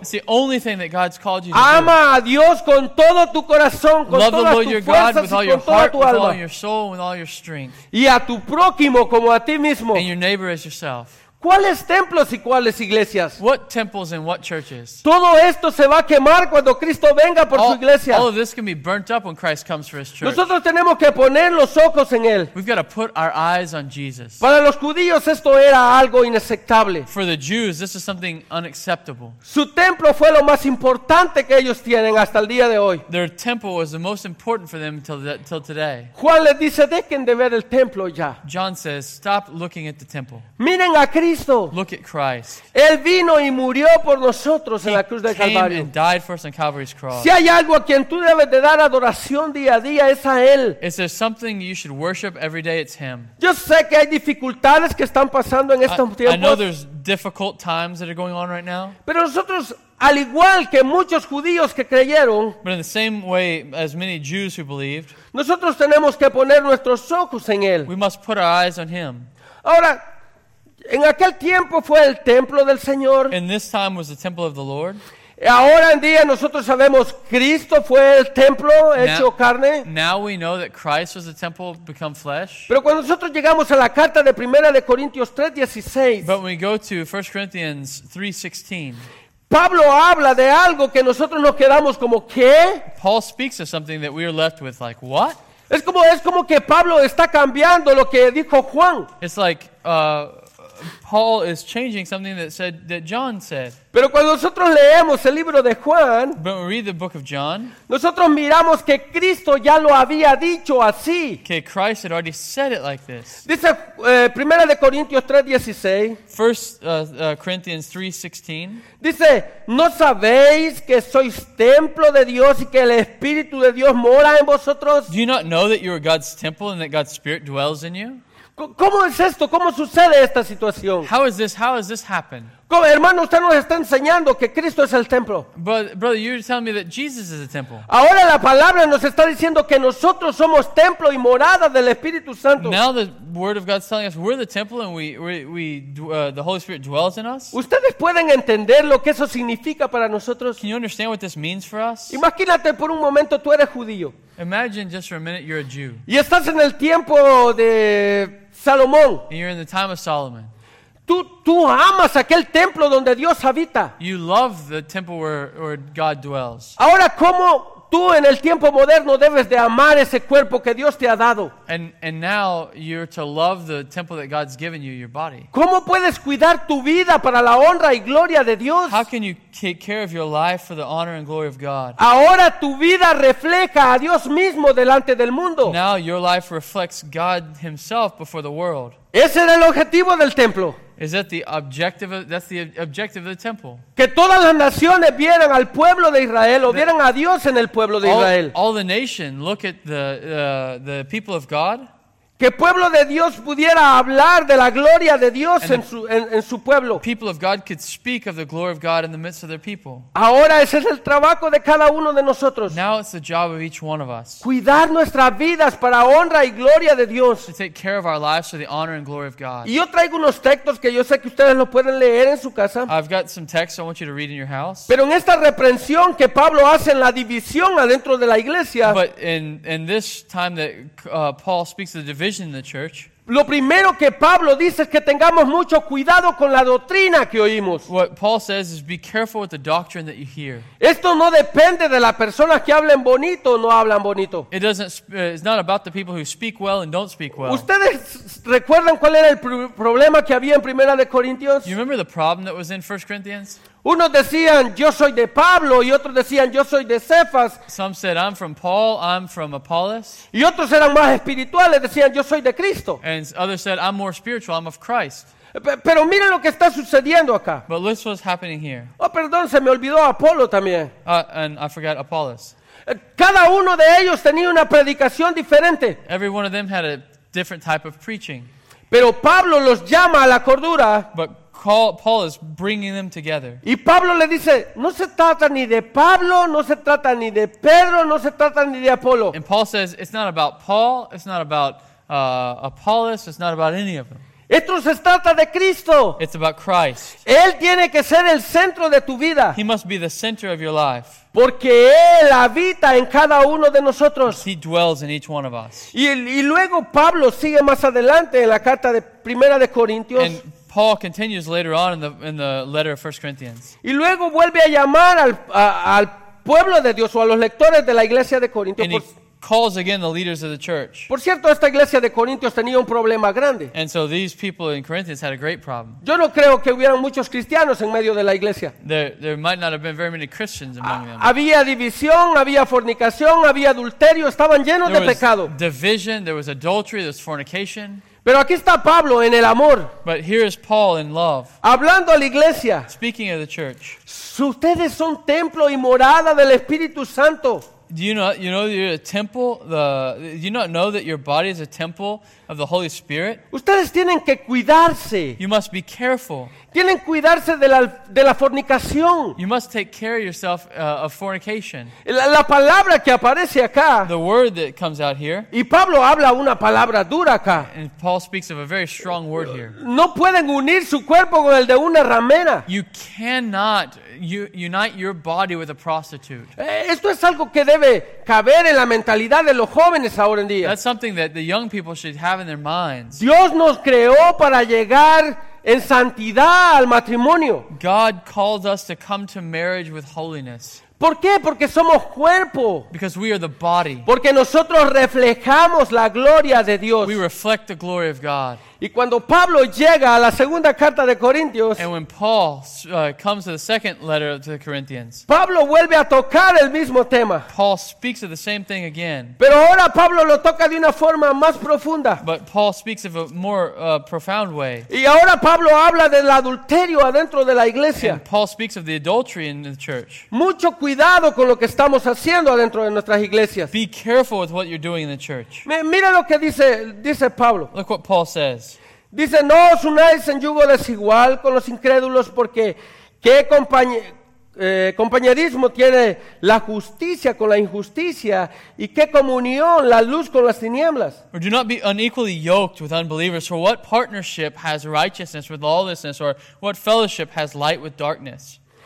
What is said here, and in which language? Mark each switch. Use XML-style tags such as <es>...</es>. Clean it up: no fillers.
<en>It's the only thing that God's called you to</en> <es>ama</es> <en>do.</en> <es>Ama a Dios con todo tu corazón, con</es> <en>love</en> <es>todas</es> <en>the Lord your God with all your heart, with all your soul, with all your strength.</en> <es>Y a tu prójimo como a ti mismo.</es> <en>And your neighbor as yourself.</en> <es>¿Cuáles templos y cuáles iglesias?</es> <en>What temples and what churches?</en> <es>Todo esto se va a quemar cuando Cristo venga por su iglesia.</es> <en>All of this can be burnt up when Christ comes for his church.</en> <es>Nosotros tenemos que poner los ojos en él.</es> <en>We've got to put our eyes on Jesus.</en> <es>Para los judíos esto era algo inaceptable.</es> <en>For the Jews, this is something unacceptable.</en> <es>Su templo fue lo más importante que ellos tienen hasta el día de hoy.</es> <en>Their temple was the most important for them till today.</en> <es>Juan les dice, dejen de ver el templo ya.</es> <en>John says, stop looking at the temple.</en> <es>Miren a Cristo.</es> <en>Look at Christ.</en> <es>Él vino y murió por nosotros en la cruz de Calvario.</es> <en>He came and died for us on Calvary's cross.</en> <es>Si hay algo a quien tú debes de dar adoración día a día, es a Él.</es> <en>If there's something you should worship every day, it's Him.</en> <es>Yo sé que hay dificultades que están pasando en estos tiempos.</es> <en>I know there's difficult times that are going on right now.</en> <es>Pero nosotros, al igual que muchos judíos que creyeron,</es> <en>but in the same way as many Jews who believed,</en> <es>nosotros tenemos que poner nuestros ojos en Él.</es> <en>We must put our eyes on Him.</en> <es>Ahora, en aquel tiempo fue el templo del Señor.</es> <en>In this time was the temple of the Lord.</en> <es>Ahora en día nosotros sabemos Cristo fue el templo hecho carne.</es> <en>Now we know that Christ was the temple become flesh.</en> <es>Pero cuando nosotros llegamos a la carta de Primera de Corintios 3:16.</es> <en>But when we go to 1 Corinthians 3:16.</en> <es>Pablo habla de algo que nosotros nos quedamos como ¿qué?</es> <en>Paul speaks of something that we are left with like what?</en> <es>Es como que Pablo está cambiando lo que dijo Juan.</es> <en>It's like Paul is changing something that said that John said.</en> <es>Pero cuando nosotros leemos el libro de Juan,</es> <en>but when we read the book of John,</en> <es>nosotros miramos que Cristo ya lo había dicho así.</es> <en>Que Christ had already said it like this.</en> <es>Dice Primera de Corintios 3:16.</es> <en>First Corinthians 3:16.</en> <es>Dice, ¿no sabéis que sois templo de Dios y que el Espíritu de Dios mora en vosotros?</es> <en>Do you not know that you are God's temple and that God's Spirit dwells in you?</en> <es>¿Cómo es esto? ¿Cómo sucede esta situación?</es> <en>How does this happen?</en> <es>Hermano, usted nos está enseñando que Cristo es el templo.</es> <en>But, brother, you're telling me that Jesus is a temple.</en> <es>Ahora la palabra nos está diciendo que nosotros somos templo y morada del Espíritu Santo.</es> <en>Now the word of God is telling us we're the temple and the Holy Spirit dwells in us.</en> <es>¿Ustedes pueden entender lo que eso significa para nosotros?</es> <en>Can you understand what this means for us?</en> <es>Imagínate por un momento tú eres judío.</es> <en>Imagine just for a minute you're a Jew.</en> <es>Y estás en el tiempo de Salomón.</es> <en>And you're in the time of Solomon.</en> <es>Tú amas aquel templo donde Dios habita.</es> <en>You love the temple where God dwells.</en> <es>Ahora, ¿cómo tú en el tiempo moderno debes de amar ese cuerpo que Dios te ha dado?</es> <en>And now you're to love the temple that God's given you, your body.</en> <es>¿Cómo puedes cuidar tu vida para la honra y gloria de Dios?</es> <en>How can you take care of your life for the honor and glory of God?</en> <es>Ahora tu vida refleja a Dios mismo delante del mundo.</es> <en>Now your life reflects God himself before the world.</en> <es>Ese era el objetivo del templo.</es> <en>Is that the objective? That's the objective of the temple.</en> <es>Que todas las naciones vieran al pueblo de Israel o vieran a Dios en el pueblo de Israel.</es> <en>All the nation look at the people of God.</en> <es>Que pueblo de Dios pudiera hablar de la gloria de Dios en su pueblo.</es> <en>People of God could speak of the glory of God in the midst of their people.</en> <es>Ahora ese es el trabajo de cada uno de nosotros.</es> <en>Now it's the job of each one of us.</en> <es>Cuidar nuestras vidas para honra y gloria de Dios.</es> <en>To take care of our lives for the honor and glory of God.</en> <es>Y yo traigo unos textos que yo sé que ustedes lo pueden leer en su casa.</es> <en>I've got some texts I want you to read in your house.</en> <es>Pero en esta reprensión que Pablo hace en la división adentro de la iglesia.</es> <en>But in this time that Paul speaks of the division. In the church.</en> <es>Lo primero que Pablo dice es que tengamos mucho cuidado con la doctrina que oímos.</es> <en>What Paul says is be careful with the doctrine that you hear.</en> <es>Esto no depende de las personas que hablen bonito o no hablan bonito.</es> <en>It doesn't. It's not about the people who speak well and don't speak well.</en> <es>¿Ustedes recuerdan cuál era el problema que había en Primera de Corintios?</es> <en>You remember the problem that was in 1 Corinthians?</en> <es>Unos decían, yo soy de Pablo, y otros decían, yo soy de Cephas.</es> <en>Some said, I'm from Paul, I'm from Apollos.</en> <es>Y otros eran más espirituales, decían, yo soy de Cristo.</es> <en>And others said, I'm more spiritual, I'm of Christ.</en> <es>Pero miren lo que está sucediendo acá.</es> <en>But this was happening here.</en> <es>Oh, perdón, se me olvidó Apolo también.</es> <en>And I forgot Apollos.</en> <es>Cada uno de ellos tenía una predicación diferente.</es> <en>Every one of them had a different type of preaching.</en> <es>Pero Pablo los llama a la cordura.</es> <en>But Paul is bringing them together.</en> <es>Y Pablo le dice, no se trata ni de Pablo, no se trata ni de Pedro, no se trata ni de Apolo.</es> <en>And Paul says, it's not about Paul, it's not about Apollos, it's not about any of them.</en> <es>Esto se trata de Cristo.</es> <en>It's about Christ.</en> <es>Él tiene que ser el centro de tu vida.</es> <en>He must be the center of your life.</en> <es>Porque Él habita en cada uno de nosotros.</es> <en>He dwells in each one of us.</en> <es>Y luego Pablo sigue más adelante en la carta de Primera de Corintios.</es> <en>And Paul continues later on in the letter of 1 Corinthians.</en> <es>Y luego vuelve a llamar al pueblo de Dios o a los lectores de la iglesia de Corinto.</es> <en>And he calls again the leaders of the church.</en> <es>Por cierto, esta iglesia de Corintios tenía un problema grande.</es> <en>And so these people in Corinthians had a great problem.</en> <es>Yo no creo que hubieran muchos cristianos en medio de la iglesia.</es> <en>There might not have been very many Christians among them.</en> <es>Había división, había fornicación, había adulterio, estaban llenos</es> <en>there</en> <es>de pecado.</es> <en>There was division, there was adultery, there was fornication.</en> <es>Pero aquí está Pablo en el amor.</es> <en>But here is Paul in love.</en> <es>Hablando a la iglesia.</es> <en>Speaking of the church.</en> <es>Ustedes son templo y morada del Espíritu Santo.</es> <en>Do you not you're a temple? Do you not know that your body is a temple of the Holy Spirit?</en> <es>Ustedes tienen que cuidarse.</es> <en>You must be careful.</en> <es>Tienen cuidarse de la fornicación.</es> <en>You must take care of yourself of fornication.</en> <es>La palabra que aparece acá.</es> <en>The word that comes out here.</en> <es>Y Pablo habla una palabra dura acá.</es> <en>And Paul speaks of a very strong word here.</en> <es>No pueden unir su cuerpo con el de una ramera.</es> <en>You cannot unite your body with a prostitute.</en> <es>Esto es algo que debe caber en la mentalidad de los jóvenes ahora en día.</es> <en>That's something that the young people should have in their minds.</en> <es>Dios nos creó para llegar en santidad al matrimonio.</es> <en>God calls us to come to marriage with holiness.</en> <es>¿Por qué? Porque somos cuerpo.</es> <en>Because we are the body.</en> <es>Porque nosotros reflejamos la gloria de Dios.</es> <en>We reflect the glory of God.</en> <es>Y cuando Pablo llega a la segunda carta de Corintios,</es> <en>and when Paul comes to the second letter to the Corinthians,</en> <es>Pablo vuelve a tocar el mismo tema.</es> <en>Paul speaks of the same thing again.</en> <es>Pero ahora Pablo lo toca de una forma más profunda.</es> <en>But Paul speaks of a more profound way.</en> <es>Y ahora Pablo habla del adulterio adentro de la iglesia.</es> <en>And Paul speaks of the adultery in the church.</en> <es>Mucho cuidado con lo que estamos haciendo adentro de nuestras iglesias.</es> <en>Be careful with what you're doing in the church.</en> <es>Mira lo que dice Pablo.</es> <en>Look what Paul says.</en> <es>Dice, no os unáis en yugo desigual con los incrédulos, porque qué compañerismo tiene la justicia con la injusticia, y qué comunión la luz con las tinieblas.</es> <en>Or do not be unequally yoked with unbelievers, for what partnership has righteousness with lawlessness, or what fellowship has light with darkness?</en>